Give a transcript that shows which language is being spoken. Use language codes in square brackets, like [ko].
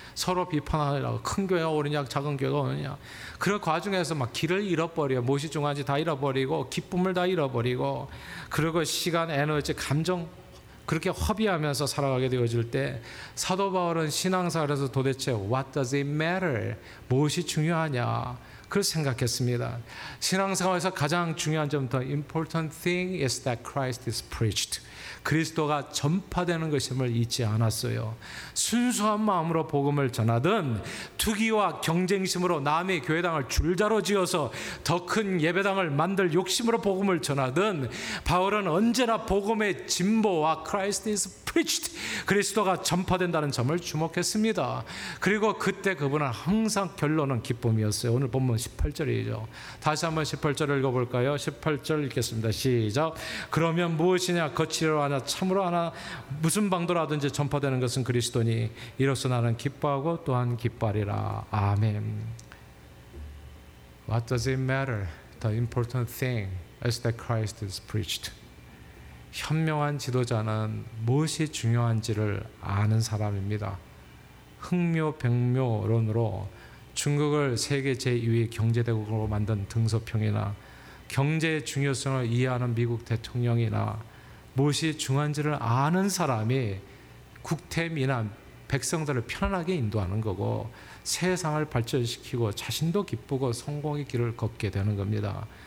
[ko] 서로 비판하느라고 큰 교회가 옳으냐 작은 교회가 옳으냐 그런 과정에서 막 길을 잃어버려요. 무엇이 중요한지 다 잃어버리고 기쁨을 다 잃어버리고 그리고 시간, 에너지, 감정 그렇게 허비하면서 살아가게 되어질 때 사도 바울은 신앙사활에서 도대체 [en] What does it matter? [ko] 무엇이 중요하냐? 그걸 생각했습니다. 신앙사활에서 가장 중요한 점 [en] The important thing is that Christ is preached. [ko] 그리스도가 전파되는 것임을 잊지 않았어요. 순수한 마음으로 복음을 전하든 투기와 경쟁심으로 남의 교회당을 줄자로 지어서 더 큰 예배당을 만들 욕심으로 복음을 전하든 바울은 언제나 복음의 진보와 [en] Christ is preached [ko] 그리스도가 전파된다는 점을 주목했습니다. 그리고 그때 그분은 항상 결론은 기쁨이었어요. 오늘 본문 18절이죠. 다시 한번 18절을 읽어볼까요? 18절 읽겠습니다. 시작. 그러면 무엇이냐 거칠어 하나 참으로 하나 무슨 방도라든지 전파되는 것은 그리스도니 이로써 나는 기뻐하고 또한 기뻐하리라. 아멘. [en] What does it matter? The important thing is that Christ is preached. [ko] 현명한 지도자는 무엇이 중요한지를 아는 사람입니다. 흥묘백묘론으로 중국을 세계 제2위 경제대국으로 만든 등소평이나 경제의 중요성을 이해하는 미국 대통령이나 무엇이 중요한지를 아는 사람이 국태민이나 백성들을 편안하게 인도하는 거고 세상을 발전시키고 자신도 기쁘고 성공의 길을 걷게 되는 겁니다.